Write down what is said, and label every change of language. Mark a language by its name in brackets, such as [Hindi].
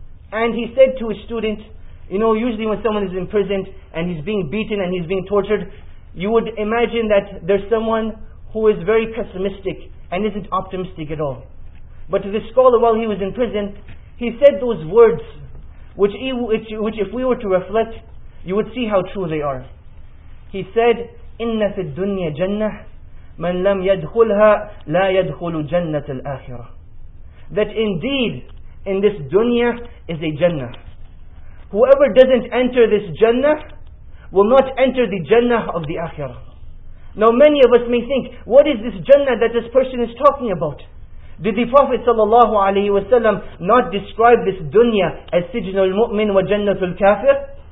[English] And he said to his student, you know, usually when someone is imprisoned and he's being beaten and he's being tortured, you would imagine that there's someone who is very pessimistic and isn't optimistic at all. But to the scholar, while he was in prison, he said those words, which if we were to reflect, you would see how true they are. He said, [Arabic] إِنَّ فِي الدُّنْيَا جَنَّةً مَنْ لَمْ يَدْخُلْهَا لَا يَدْخُلُ جَنَّةَ الْآخِرَةِ. [English] That indeed, in this dunya is a jannah. Whoever doesn't enter this jannah will not enter the jannah of the akhirah. Now many of us may think, what is this jannah that this person is talking about? Did the Prophet sallallahu alaihi wasallam not describe this dunya as [Arabic] sijnul mu'min wa jannatul kafir?